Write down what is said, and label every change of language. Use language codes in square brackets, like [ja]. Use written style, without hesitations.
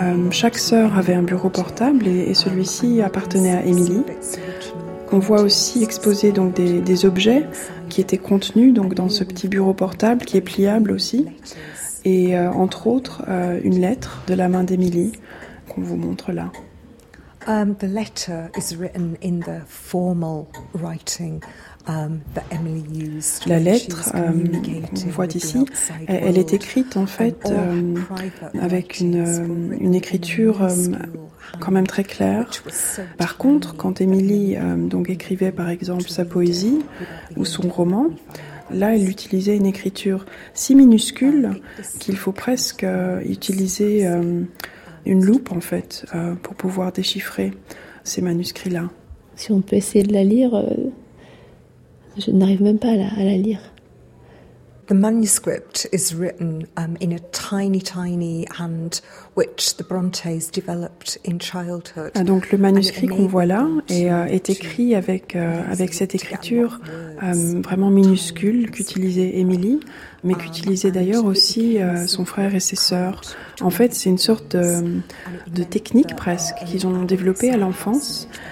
[fr] Chaque sœur avait un bureau portable et celui-ci appartenait à Emily. On voit aussi exposer donc, des objets qui étaient contenus donc, dans ce petit bureau portable qui est pliable aussi. Et entre autres, une lettre de la main d'Emily qu'on vous montre là. [en] The letter is written in the formal writing. That Emily used. [fr] La lettre, on voit ici, elle est écrite en fait avec une écriture quand même très claire. Par contre, quand Emily donc écrivait par exemple sa poésie ou son roman, là elle utilisait une écriture si minuscule qu'il faut presque utiliser une loupe en fait pour pouvoir déchiffrer ces manuscrits-là. Si on peut essayer de la lire. Je n'arrive même pas à la lire. [en] The manuscript is written in a tiny, tiny hand which the Brontes developed in childhood. [fr] Ah, donc le manuscrit qu'on voit là est, est écrit avec, avec cette écriture vraiment minuscule qu'utilisait Emily, mais qu'utilisaient d'ailleurs aussi son frère et ses sœurs. En fait, c'est une sorte de technique presque qu'ils ont développée à l'enfance.